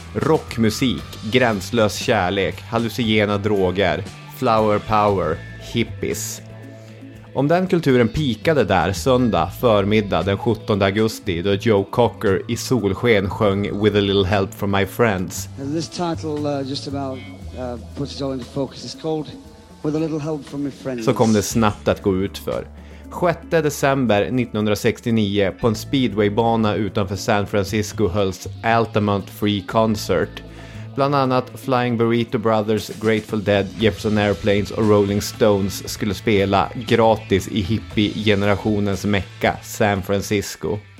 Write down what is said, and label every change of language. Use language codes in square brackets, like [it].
[sv] Rockmusik, gränslös kärlek, hallucinogena droger, flower power, hippies. Om den kulturen pikade där söndag förmiddag den 17 augusti då Joe Cocker i solsken sjöng With a Little Help from My Friends. [en] This title just about puts it all into focus. It's called With a Little Help from My Friends. [sv] Så kom det snabbt att gå ut för. 6 december 1969 på en speedwaybana utanför San Francisco hölls Altamont Free Concert. Bland annat Flying Burrito Brothers, Grateful Dead, Jefferson Airplanes och Rolling Stones skulle spela gratis i hippie-generationens mecka, San Francisco.